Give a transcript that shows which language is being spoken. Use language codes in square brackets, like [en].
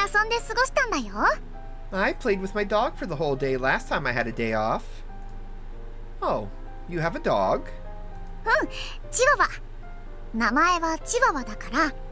[ja] この間のお休みの日はね、うちのワンちゃんとずっと一緒に遊んで過ごしたんだよ。 [en] I played with my dog for the whole day last time I had a day off. Oh, you have a dog? [ja] うん、チワワ。名前はチワワだから。